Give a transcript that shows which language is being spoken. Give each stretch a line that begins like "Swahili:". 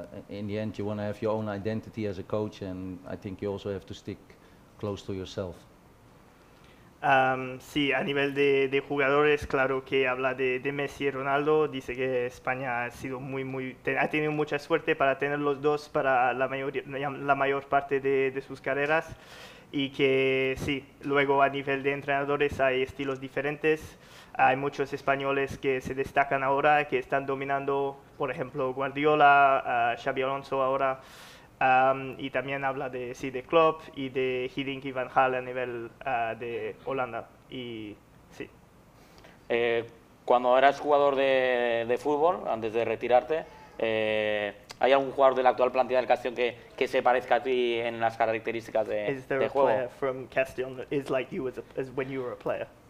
English: In the end, you want to have your own identity as a coach. And I think you also have to stick close to yourself.
Spanish: Sí, a nivel de jugadores, claro que habla de Messi y Ronaldo. Dice que España ha tenido mucha suerte para tener los dos para la mayor parte de sus carreras. Y que sí, luego a nivel de entrenadores hay estilos diferentes. Hay muchos españoles que se destacan ahora, que están dominando, por ejemplo, Guardiola, Xabi Alonso ahora. Y también habla de Klopp y de Hiddink y Van Gaal a nivel de Holanda. Y sí. Cuando eras jugador de fútbol, antes de retirarte, ¿hay algún jugador de la actual plantilla del Castellón que se parezca a ti en las características de juego?
English: Is there a player from Castellón that is like you as when you were a player?